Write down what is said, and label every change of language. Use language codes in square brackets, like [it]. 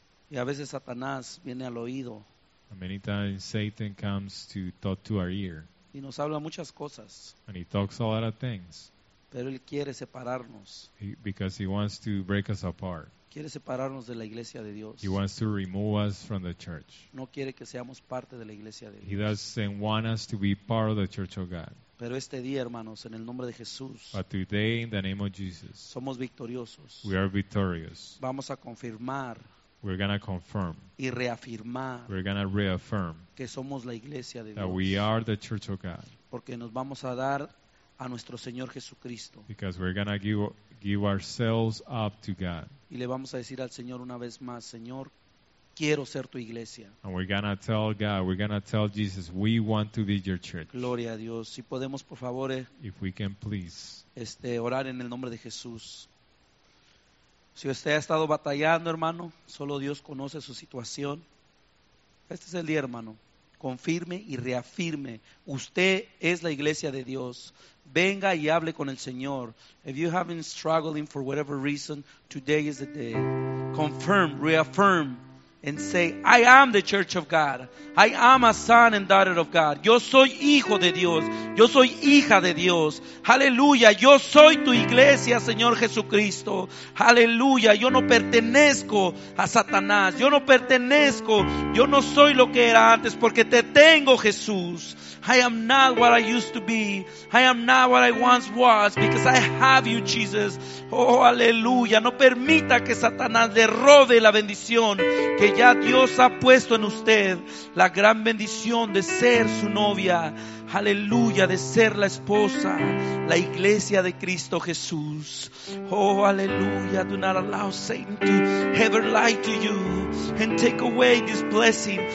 [es] Y a veces Satanás viene al oído. [en] Many times Satan comes to talk to our ear. [es] Y nos habla muchas cosas. [en] And he talks a lot of things. [es] Pero él quiere separarnos. [en] Because he wants to break us apart. [es] Quiere separarnos de la iglesia de Dios. [en] He wants to remove us from the church. [es] No quiere que seamos parte de la iglesia de Dios. [en] He doesn't want us to be part of the church of God. [es] Pero este día, hermanos, en el nombre de Jesús. [en] But today, in the name of Jesus. [es] Somos victoriosos. [en] We are victorious. [es] Vamos a confirmar. [en] We're going to confirm. [es] Y reafirmar. [en] We're going to reaffirm. [es] Que somos la iglesia de Dios. [en] That we are the church of God. [es] Porque nos vamos a dar a nuestro Señor Jesucristo. [en] Because we're going to give ourselves up to God. [es] Y le vamos a decir al Señor una vez más, Señor, quiero ser tu iglesia. [en] And we're going to tell God, we're going to tell Jesus, we want to be your church. [es] Gloria a Dios. Si podemos, por favor, [en] if we can please. [es] Orar en el nombre de Jesús. Si usted ha estado batallando, hermano, solo Dios conoce su situación. Este es el día, hermano. Confirme y reafirme. Usted es la iglesia de Dios. Venga y hable con el Señor. [en] If you have been struggling for whatever reason, today is the day. Confirm, reaffirm, and say, I am the church of God. I am a son and daughter of God. [es] Yo soy hijo de Dios. Yo soy hija de Dios. Aleluya. Yo soy tu iglesia, Señor Jesucristo. Aleluya. Yo no pertenezco a Satanás. Yo no pertenezco. Yo no soy lo que era antes porque te tengo, Jesús. [en] I am not what I used to be. I am not what I once was because I have you, Jesus. [es] Oh, aleluya. No permita que Satanás le robe la bendición que ya Dios ha puesto en usted, la gran bendición de ser su novia, aleluya, de ser la esposa, la iglesia de Cristo Jesús. Oh, aleluya. [en] Do not allow Satan to ever lie to you and take away this blessing.